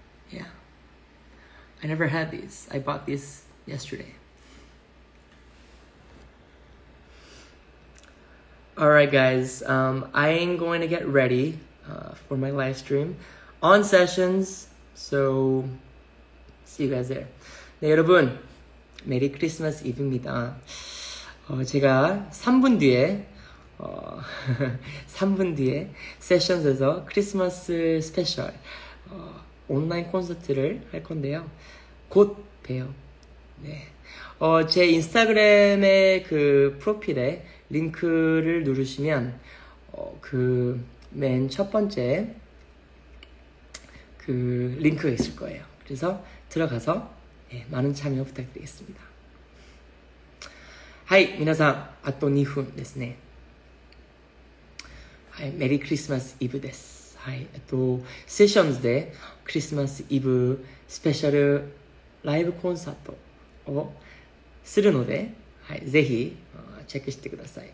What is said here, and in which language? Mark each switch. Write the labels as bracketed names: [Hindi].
[English] Yeah, I never had these. I bought these yesterday. Alright guys, I am going to get ready for my live stream on sessions, so see you guys there. [Korean] 네, 여러분, 메리 크리스마스입니다. 제가 3분 뒤에, 3분 뒤에 세션에서 크리스마스 스페셜 온라인 콘서트를 할 건데요. 곧 봬요. 네. 제 인스타그램의 그 프로필에 링크를 누르시면 그 맨 첫 번째 그 링크가 있을 거예요. 그래서 들어가서 예, 많은 참여 부탁드리겠습니다. [Japanese] Hi, 皆さん, あと2分ですね. Hi, Merry Christmas Eve です.Hi, Sessions で Christmas Eve Special Live Concert をするので、はい、ぜひチェックしてください。